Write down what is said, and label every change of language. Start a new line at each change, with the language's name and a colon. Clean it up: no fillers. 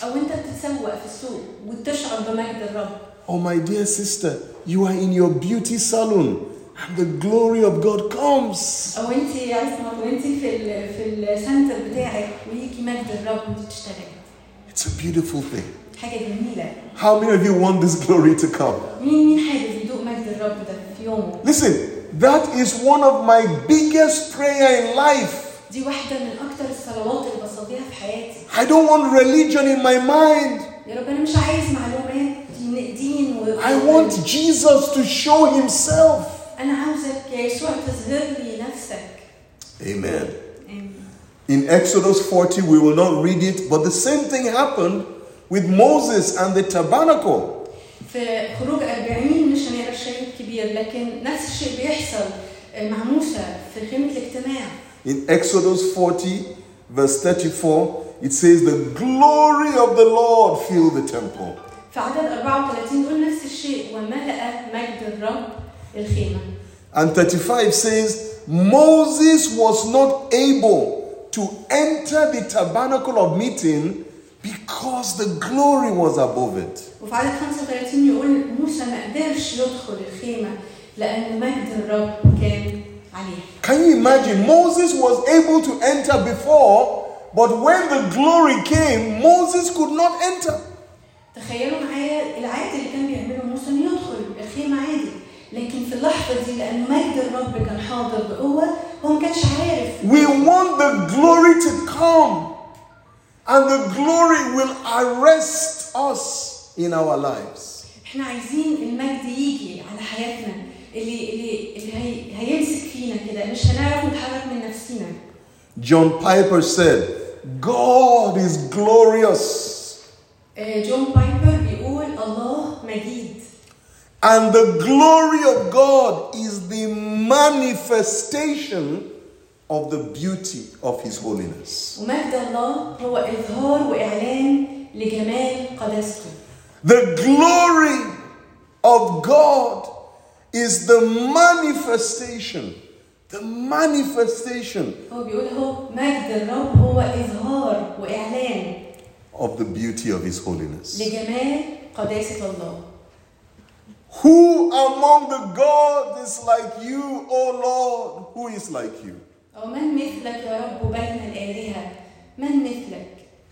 English: Oh, my dear sister, you are in your beauty salon, and the glory of God comes. It's a beautiful thing.
Arabic: حاجة جميلة.
English: How many of you want this glory to come?
Arabic: مين حابب يدوق مجد الرب ده في يومه؟
English: Listen, that is one of my biggest prayer in life.
Arabic: دي واحدة من أكتر الصلوات اللي بصليها في حياتي.
English: I don't want religion in my mind.
Arabic: يا رب أنا مش عايز معلومات دين و.
English: I want Jesus to show Himself.
Arabic: أنا عاوزك يا يسوع تظهر لي نفسك.
English: Amen. In Exodus 40, we will not read it, but the same thing happened with Moses and the tabernacle.
Arabic: في خروج 40 مش هنقرا شيء كبير لكن نفس الشيء بيحصل مع موسى في خيمة الاجتماع.
English: In Exodus 40, verse 34, it says the glory of the Lord filled the temple.
Arabic: في عدد 34 يقول نفس الشيء وملأ مجد الرب الخيمة.
English: And 35 says Moses was not able to enter the tabernacle of meeting because the glory was above it.
Arabic: وفي عدد 35 يقول موسى ما قدرش يدخل الخيمة لأن مجد الرب كان عليه.
English: Can you imagine? Moses was able to enter before, but when the glory came, Moses could not enter.
Arabic: تخيلوا معايا العادة اللي كان بيعمله موسى يدخل الخيمة عادي. لكن في اللحظة دي لأن مجد الرب كان حاضر بقوة
English: We want the glory to come and the glory will arrest us in our lives.
Arabic: احنا عايزين المجد يجي على حياتنا اللي هيمسك فينا كده مش هنعرف نتحرك من نفسينا.
English: John Piper said God is glorious.
Arabic: John Piper بيقول الله مجيد.
English: And the glory of God is the manifestation of the beauty of His holiness.
Arabic: ومجد الله هو إظهار وإعلان لجمال قدسته.
English: The glory of God is the manifestation.
Arabic: هو بيقول هو مجد الرب هو إظهار وإعلان
English: of the beauty of His holiness.
Arabic: لجمال قدسة الله.
English: Who among the gods is like you, O Lord? Who is like you?
Arabic: من مثلك يا رب بين الآلهة؟ من مثلك؟